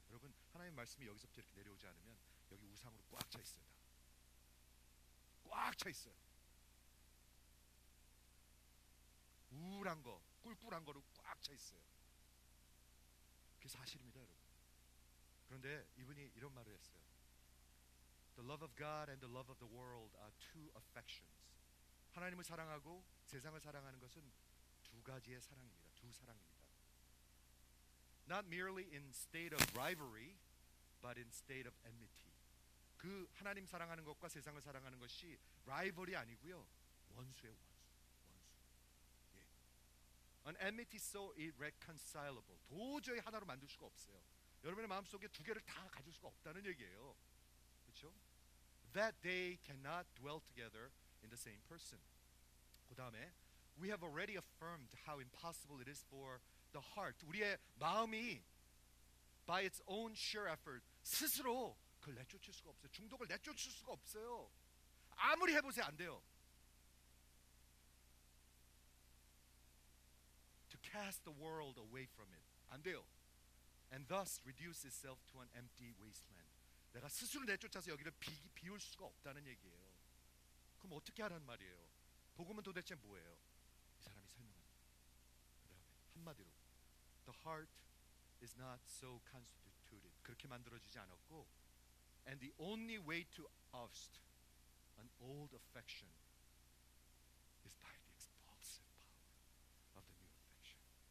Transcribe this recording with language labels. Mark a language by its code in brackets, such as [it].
[ko] 여러분 하나님의 말씀이 여기서부터 이렇게 내려오지 않으면 여기 우상으로 꽉 차 있어요. 다 꽉 차 있어요. 우울한 거, 꿀꿀한 거로 꽉 차 있어요. 그게 사실입니다 여러분. 그런데 이분이 이런 말을 했어요. [en] The love of God and the love of the world are two affections. [ko] 하나님을 사랑하고 세상을 사랑하는 것은 두 가지의 사랑입니다. 두 사랑입니다. [en] Not merely in state of rivalry, but in state of enmity. [ko] 그 하나님 사랑하는 것과 세상을 사랑하는 것이 rivalry 아니고요. 원수의 원수. 원수. 예. [en] An enmity so irreconcilable. [ko] 도저히 하나로 만들 수가 없어요. 여러분의 마음속에 두 개를 다 가질 수가 없다는 얘기예요. 그렇죠? [en] That they cannot dwell together in the same person. [ko] 그 다음에 [en] We have already affirmed how impossible it is for the heart. [ko] 우리의 마음이 [en] by its own sheer effort [ko] 스스로 그걸 내쫓을 수가 없어요. 중독을 내쫓을 수가 없어요. 아무리 해보세요 안 돼요. [en] To cast the world away from it [ko] 안 돼요. [en] And thus reduce itself to an empty wasteland. [ko] 내가 스스로 내쫓아서 여기를 비울 수가 없다는 얘기예요. 그럼 어떻게 하라는 말이에요? 복음은 도대체 뭐예요? 이 사람이 설명합니다. 그 다음에 한마디로 [en] The heart is not so constituted. [ko] 그렇게 만들어지지 않았고 [en] And the only way to oust an old affection is by the expulsive power of the new affection.